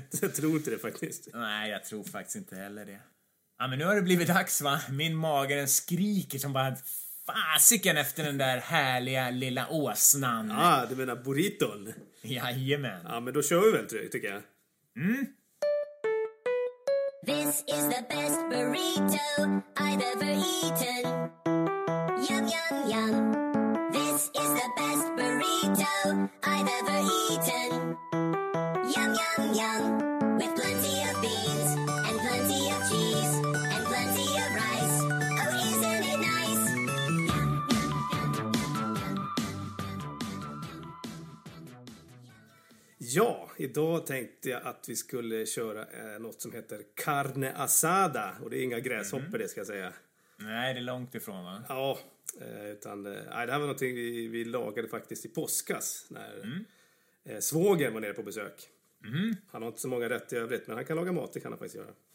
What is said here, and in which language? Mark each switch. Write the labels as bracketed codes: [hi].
[sv] Jag tror inte det faktiskt. Nej, jag tror faktiskt inte heller det. Ja, men nu har det blivit dags, va? Min mage den skriker som bara fasiken efter den där härliga lilla åsnan. Ja, du menar burriton? Jajamän. Ja, men då kör vi väl, tycker jag. [en] This is the best burrito I've ever eaten. Yum, yum, yum. This is the best burrito I've ever eaten. Yum, yum, yum. With plenty of beans and plenty of cheese and plenty of rice. Oh, isn't it nice? Yum, yum, yum, yum, yum, yum, yum. [sv] Ja. Idag tänkte jag att vi skulle köra något som heter carne asada. Och det är inga gräshopper det, ska jag säga. Nej, det är långt ifrån, va? Ja, utan det här var någonting vi lagade faktiskt i påskas. När svågen var nere på besök. Han har inte så många rätt i övrigt, men han kan laga mat, det kan han faktiskt göra.